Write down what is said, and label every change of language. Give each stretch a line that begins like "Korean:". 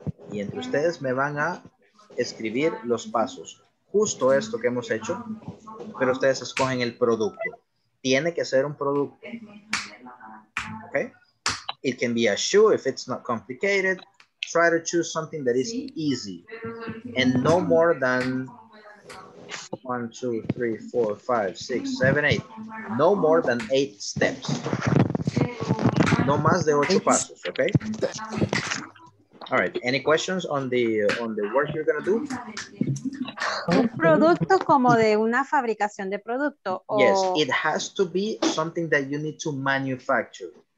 Spanish: Y entre ustedes me van a escribir los pasos. Justo esto que hemos hecho, pero ustedes escogen el producto. Tiene que ser un producto.
English: Okay? It can be a shoe if it's not complicated. Try to choose something that is easy. And no more than 1, 2, 3, 4, 5, 6, 7, 8. No more than 8 steps.
Spanish: No más de 8 pasos,
English: okay? All right, any questions on the work you're going to do?
Spanish: Un producto como de una fabricación de producto. O...
English: Yes, it has to be something that you need to manufacture.